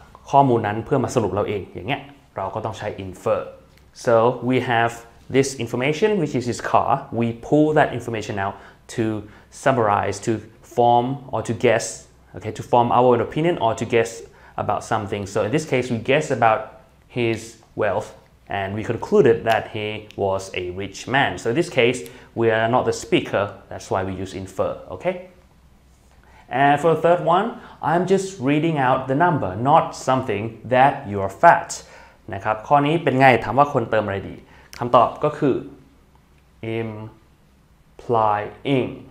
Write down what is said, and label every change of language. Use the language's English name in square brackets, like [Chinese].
[Thai] ข้อมูลนั้นเพื่อมาสรุปเราเองอย่างเงี้ยเราก็ต้องใช้ [English] infer so we have this information which is his car we pull that information out to summarize to form or to guess okay to form our own opinion or to guess about something so in this case we guess aboutHis wealth, and we concluded that he was a rich man. So in this case, we are not the speaker. That's why we use infer. Okay. And for the third one, I'm just reading out the number, not something that you're fat. [Thai] นะครับ ข้อนี้เป็นไง ถามว่าควรเติมอะไรดี คำตอบก็คือ implying.